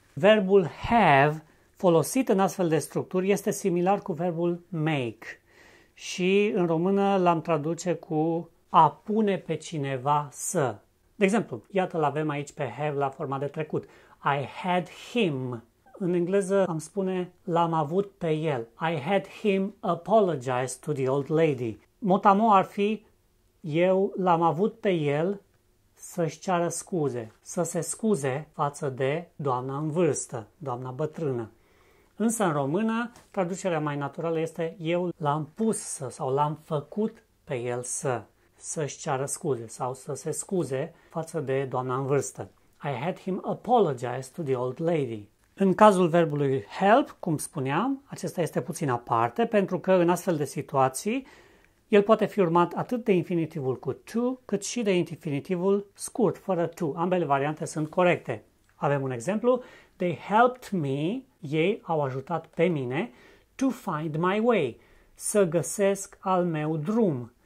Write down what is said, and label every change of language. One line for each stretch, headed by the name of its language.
Romanian: Verbul have folosit în astfel de structuri este similar cu verbul make și în română l-am traduce cu a pune pe cineva să. De exemplu, iată-l avem aici pe have la forma de trecut.
English: I had him.
Romanian: În engleză am spune l-am avut pe el.
English: I had him apologize to the old lady.
Romanian: Motamo ar fi eu l-am avut pe el să-și ceară scuze, să se scuze față de doamna în vârstă, doamna bătrână. Însă în română, traducerea mai naturală este eu l-am pus să sau l-am făcut pe el să-și ceară scuze sau să se scuze față de doamna în vârstă.
English: I had him apologize to the old lady.
Romanian: În cazul verbului help, cum spuneam, acesta este puțin aparte pentru că în astfel de situații el poate fi urmat atât de infinitivul cu to, cât și de infinitivul scurt, fără to. Ambele variante sunt corecte. Avem un exemplu.
English: They helped me,
Romanian: ei au ajutat pe mine,
English: to find my way,
Romanian: să găsesc al meu drum.